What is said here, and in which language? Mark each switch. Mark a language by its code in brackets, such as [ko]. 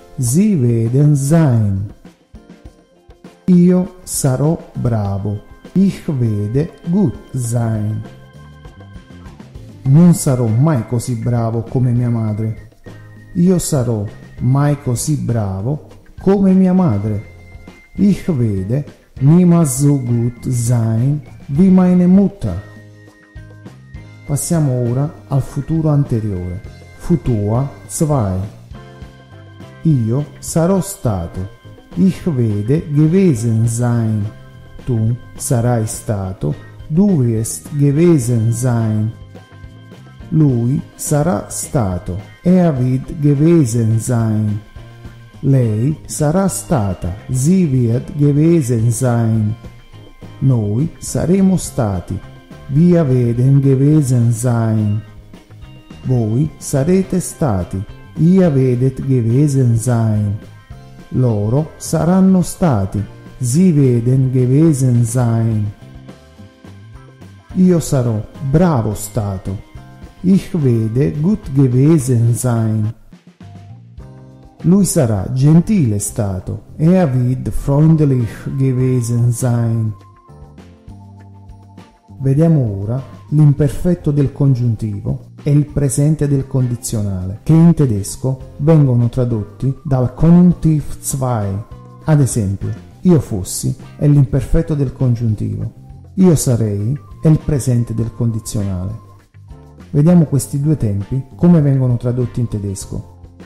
[de] Sie werden sein. [it] Io sarò bravo. [de] Ich werde gut sein. [it] Non sarò mai così bravo come mia madre. Io sarò mai così bravo come mia madre. [de] Ich werde niemals so gut sein wie meine Mutter. [it] Passiamo ora al futuro anteriore. Futur 2. Io sarò stato. [de] Ich werde gewesen sein. [it] Tu sarai stato. [de] Du wirst gewesen sein. [it] Lui sarà stato. [de] Er wird gewesen sein. [it] Lei sarà stata. [de] Sie wird gewesen sein. [it] Noi saremo stati. [de] Wir werden gewesen sein. [it] Voi sarete stati. [de] Ihr werdet gewesen sein. [it] Loro saranno stati. [de] Sie werden gewesen sein. [it] Io sarò bravo stato. [de] Ich werde gut gewesen sein. [it] Lui sarà gentile stato. [de] Er wird freundlich gewesen sein. [it] Vediamo ora l'imperfetto del congiuntivo e il presente del condizionale, che in tedesco vengono tradotti dal Konjunktiv 2. Ad esempio, io fossi è l'imperfetto del congiuntivo. Io sarei è il presente del condizionale. Vediamo questi due tempi come vengono tradotti in tedesco.